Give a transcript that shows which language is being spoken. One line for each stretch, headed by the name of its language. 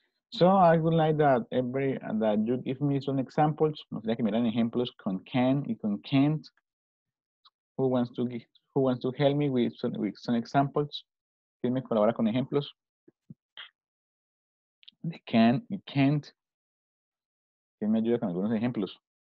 English: So, I would like that you give me some examples.
Spanish: Me gustaría que me dan ejemplos con can y con can't.
English: Who wants to help me with some examples?
Spanish: ¿Quién me colabora con ejemplos? The can y can't. ¿Quién me ayuda con algunos ejemplos?